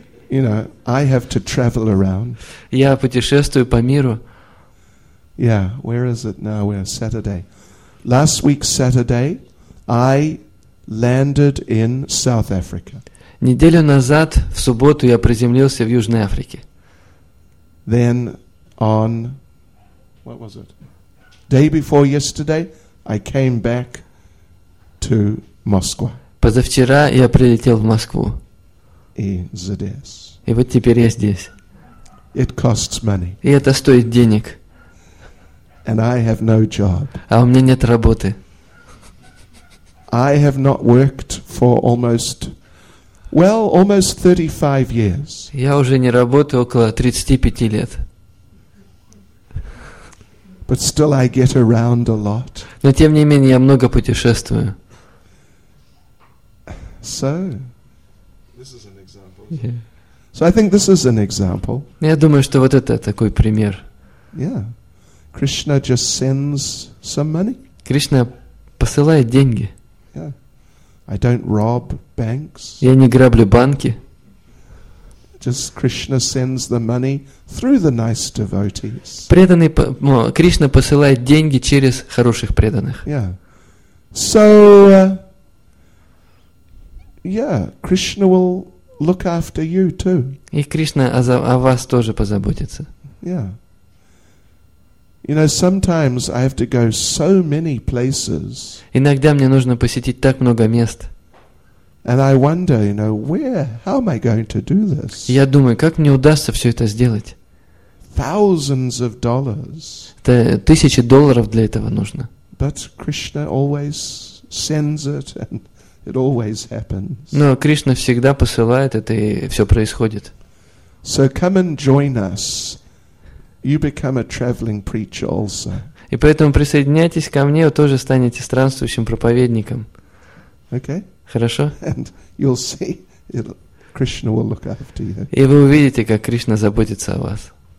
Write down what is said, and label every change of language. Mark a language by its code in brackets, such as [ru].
[en] You know, I have to travel around. [ru] Я путешествую по миру. [en] Yeah, where is it now? We're Saturday. Last week Saturday, I landed in South Africa. [ru] Неделю назад, в субботу, я приземлился в Южной Африке. [en] Then on, what was it? Day before yesterday, I came back to Moscow. [ru] Позавчера я прилетел в Москву. И здесь. И вот теперь я здесь. [en] It costs money. [ru] И это стоит денег. [en] And I have no job. [ru] А у меня нет работы. [en] I have not worked for almost... Well, almost 35 years. [ru] Я уже не работаю около 35 лет. [en] But still I get around a lot. [ru] Но тем не менее я много путешествую. [en] So, this is an example. So I think this is an example. [ru] Я думаю, что вот это такой пример. [en] Yeah. Krishna just sends some money. [ru] Кришна посылает деньги. [en] I don't rob banks. [ru] Я не граблю банки. [en] Just Krishna sends the money through the nice devotees. [ru] Кришна посылает деньги через хороших преданных. [en] Yeah. So, Krishna will look after you too. [ru] И Кришна о вас тоже позаботится. [en] Yeah. You know, sometimes I have to go so many places. [ru] Иногда мне нужно посетить так много мест. [en] And I wonder, you know, where? How am I going to do this? [ru] Я думаю, как мне удастся все это сделать? [en] Thousands of dollars. [ru] Это тысячи долларов для этого нужно. [en] But Krishna always sends it, and it always happens. [ru] Но Кришна всегда посылает это, и все происходит. [en] So come and join us. You become a traveling preacher also. [ru] И поэтому присоединяйтесь ко мне, вы тоже станете странствующим проповедником. [en] Okay. [ru] Хорошо? [en] And you'll see Krishna will look after you. [ru] И вы увидите, как Кришна заботится о вас.